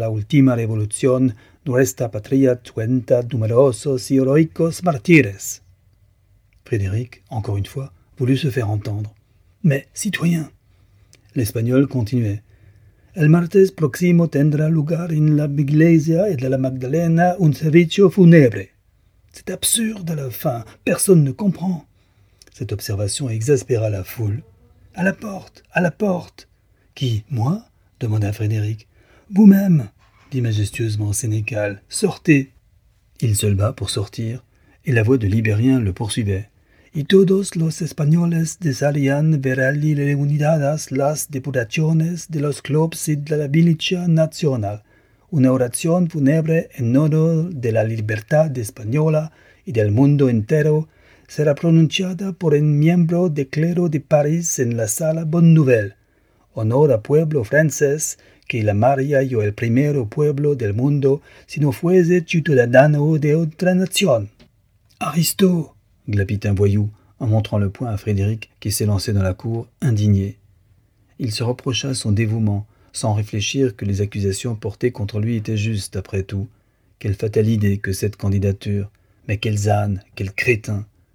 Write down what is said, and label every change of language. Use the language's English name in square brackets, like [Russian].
[Spanish] última revolución, nuestra patria cuenta numerosos y heroicos mártires. [French] Frédéric, encore une fois, voulut se faire entendre. Mais, citoyen, l'Espagnol continuait. [Spanish] El martes próximo tendrá lugar en la iglesia de la Magdalena un servicio funèbre. [French] C'est absurde à la fin, personne ne comprend. Cette observation exaspéra la foule. À la porte, à la porte. Qui, moi ? Demanda Frédéric. Vous-même, dit majestueusement Sénécal, sortez. Il se leva pour sortir, et la voix de Libérien le poursuivait. [Spanish] Y todos los españoles desearían ver allí reunidas las deputaciones de los clubs y de la milicia nacional. Una oración funebre en honor de la libertad española y del mundo entero será pronunciada por un miembro de clero de París en la sala Bonne Nouvelle. Honor al pueblo francés, que la maría yo el primero pueblo del mundo si no fuese ciudadano de otra nación. [French] Aristo, glapit un voyou en montrant le poing à Frédéric qui s'élançait dans la cour, indigné. Il se reprocha son dévouement, sans réfléchir que les accusations portées contre lui étaient justes, après tout. Quelle fatale idée que cette candidature! Mais quels ânes, quels crétins!